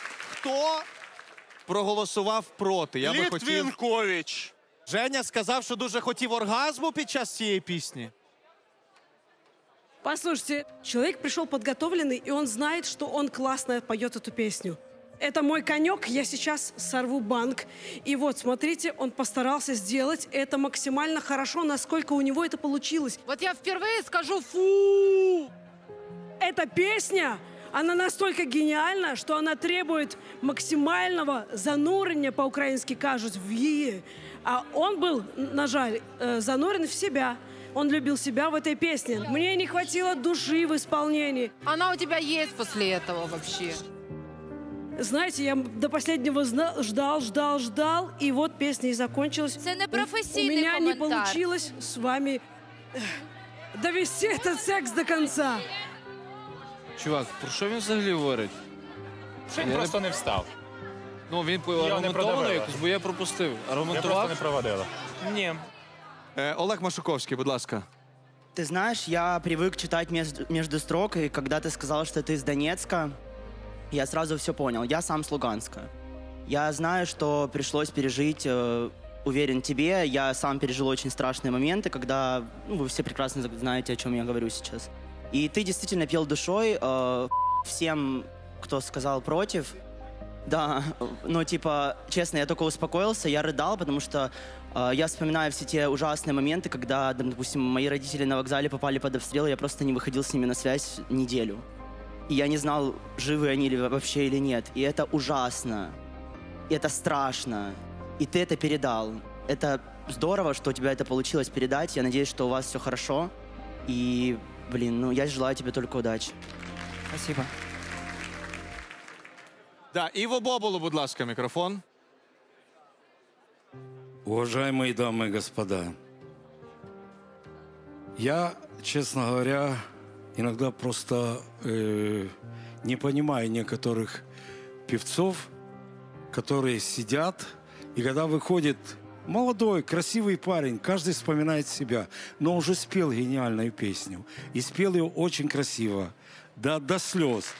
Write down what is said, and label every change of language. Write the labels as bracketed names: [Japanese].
[Ukrainian] Хто проголосував проти? Я би хотів... Літвінкович! Женя сказав, що дуже хотів оргазму під час цієї пісні. [Russian] Послушайте, [Ukrainian] чоловік прийшов підготовлений, і він знає, що він класно поє цю пісню. [Russian] Это мой конек, я сейчас сорву банк. И вот, смотрите, он постарался сделать это максимально хорошо, насколько у него это получилось. Вот я впервые скажу фу! Эта песня, она настолько гениальна, что она требует максимального занурения, по-украински [Ukrainian] кажуть, в її. [Russian] А он был, [Ukrainian] на жаль, [Russian] занурен в себя. Он любил себя в этой песне. Мне не хватило души в исполнении. Она у тебя есть после этого вообще? Знаете, я до последнего ждал, и вот песня и закончилась. [Ukrainian] Це не професійний коментар. У [Russian] меня не получилось с вами довести этот секс до конца. [Ukrainian] Чувак, про що він взагалі говорить? Він я просто не встав. Ну, він аргументовано якось, бо я пропустив. Аргументував? Я просто не проводила. Ні. Олег Машуковський, будь ласка. Ти знаєш, я привик читати між строк, і коли ти сказав, що ти з Донецька, [Russian] я сразу все понял. Я сам с Луганска. Я знаю, что пришлось пережить, уверен тебе, я сам пережил очень страшные моменты, когда, ну, вы все прекрасно знаете, о чем я говорю сейчас. И ты действительно пел душой, всем, кто сказал против. Да, но, типа, честно, я только успокоился, я рыдал, потому что Я вспоминаю все те ужасные моменты, когда, допустим, мои родители на вокзале попали под обстрел, я просто не выходил с ними на связь неделю. И я не знал, живы они ли вообще или нет. И это ужасно. И это страшно. И ты это передал. Это здорово, что у тебя это получилось передать. Я надеюсь, что у вас все хорошо. И, блин, ну я желаю тебе только удачи. Спасибо. [Ukrainian] Да, Іво Бобулу, будь ласка, мікрофон. [Russian] Уважаемые дамы и господа, я, честно говоря, иногда просто не понимаю некоторых певцов, которые сидят, и когда выходит молодой, красивый парень, каждый вспоминает себя, но уже спел гениальную песню, и спел ее очень красиво, да, до слез.